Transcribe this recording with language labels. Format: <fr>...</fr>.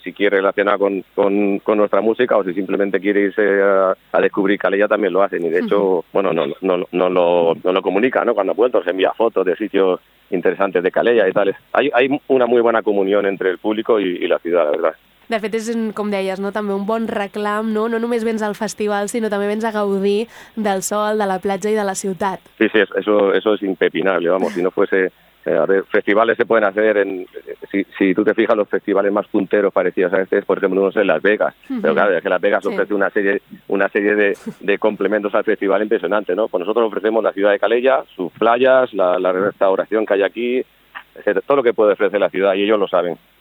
<es>Si quiere relacionar con nuestra música o si simplemente quiere irse a descubrir Calella, también lo hacen. Y, de hecho, bueno, no lo comunican, ¿no? Cuando ha vuelto se envía fotos de sitios interesantes de Calella y tal. Hay una muy buena comunión entre el público y la ciudad, la verdad.</es> <ca>De fet, és, com deies, no? També un bon reclam, no? No només vens al festival, sinó també vens a gaudir del sol, de la platja i de la ciutat.</ca> <es>Sí, sí, eso es impepinable, vamos. Si no fuese... A ver, festivales se pueden hacer en... Si tú te fijas, los festivales más punteros parecidos a este es, por ejemplo, uno es en Las Vegas. Pero claro, es que Las Vegas ofrece una serie de complementos al festival impresionante, ¿no? Pues nosotros ofrecemos la ciudad de Calella, sus playas, la restauración que hay aquí, etcétera, todo lo que puede ofrecer la ciudad, y ellos lo saben.</es>